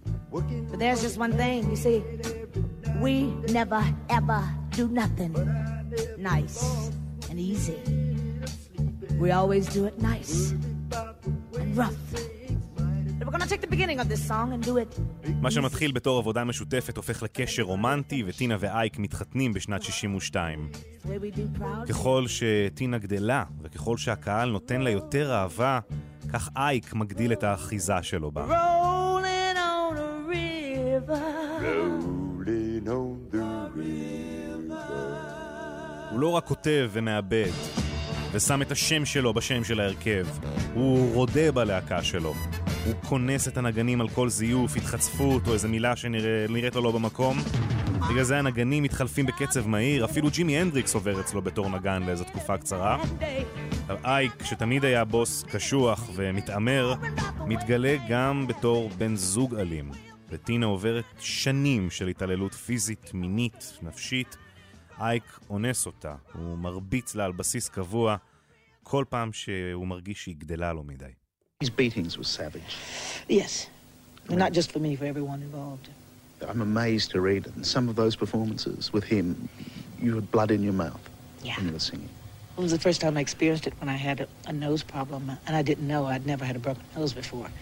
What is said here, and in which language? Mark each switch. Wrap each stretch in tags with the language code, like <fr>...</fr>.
<en>But there's just one thing, you see. We never, ever do nothing nice and easy. We always do it nice and rough. We're gonna take the beginning of this song and do it.</en> <he>מה שמתחיל בתור עבודה משותפת הופך לקשר רומנטי, וטינה ואייק מתחתנים בשנת 62. ככל שטינה גדלה וככל שהקהל נותן לה יותר אהבה, כך אייק מגדיל את האחיזה שלו בה.</he> <en>Rolling on the river. Rolling on the river.</en> <he>הוא לא רק כותב ומאבד ושם את השם שלו בשם של ההרכב, הוא רודה בלהקה שלו. הוא כונס את הנגנים על כל זיוף, התחצפות או איזה מילה שנראית לו לא במקום. בגלל זה הנגנים מתחלפים בקצב מהיר, אפילו ג'ימי הנדריקס עובר אצלו בתור נגן לאיזו תקופה קצרה. אייק, שתמיד היה בוס קשוח ומתאמר, מתגלה גם בתור בן זוג אלים. וטינה עוברת שנים של התעללות פיזית, מינית, נפשית. אייק אונס אותה, הוא מרביץ לה על בסיס קבוע, כל פעם שהוא מרגיש שהיא גדלה לו מדי.</he> <en>These beatings were savage. Yes. Right. Not just for me, for everyone involved. I'm amazed to read it. Some of those performances with him, you had blood in your mouth when you were singing. It was the first time I experienced it when I had a nose problem, and I didn't know I'd never had a broken nose before.</en>